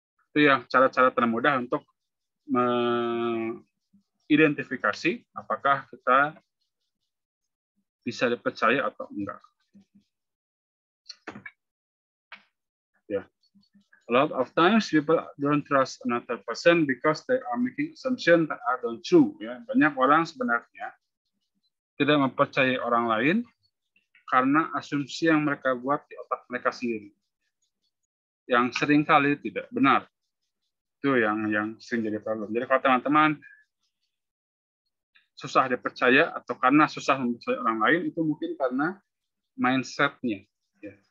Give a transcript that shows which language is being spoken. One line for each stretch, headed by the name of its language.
Indonesian: Itu yang cara-cara termudah untuk mengidentifikasi apakah kita bisa dipercaya atau enggak. Yeah.
English: A lot of times people don't trust another person because they are making assumption that are not true. Yeah.
Indonesian: Banyak orang sebenarnya tidak mempercayai orang lain karena asumsi yang mereka buat di otak mereka sendiri. Yang seringkali tidak benar. Itu yang sering jadi problem. Jadi kalau teman-teman susah dipercaya atau karena susah mempercayai orang lain, itu mungkin karena mindset-nya. Ya.